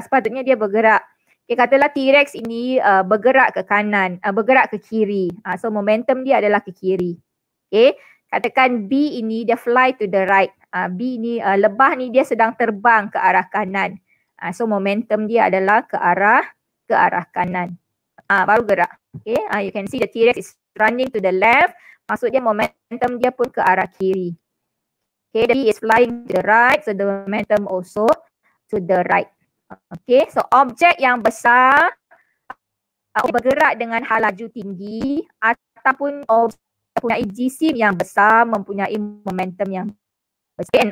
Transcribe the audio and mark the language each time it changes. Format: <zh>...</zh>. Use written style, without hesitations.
<ms>Sepatutnya dia bergerak. Okay. Katalah T-Rex ini bergerak ke kanan, bergerak ke kiri. So momentum dia adalah ke kiri. Okay. Katakan B ini dia</ms> <en>fly to the right.</en> <ms>B ni, lebah ni dia sedang terbang ke arah kanan. So momentum dia adalah ke arah kanan. Baru gerak.</ms> <en>Okay, you can see the T-Rex is running to the left.</en> <ms>Maksudnya momentum dia pun ke arah kiri.</ms> <en>Okay, the B is flying to the right. So the momentum also to the right.</en> <ms>Okay, so objek yang besar bergerak dengan hal laju tinggi ataupun mempunyai jisim yang besar, mempunyai momentum yang besar.</ms>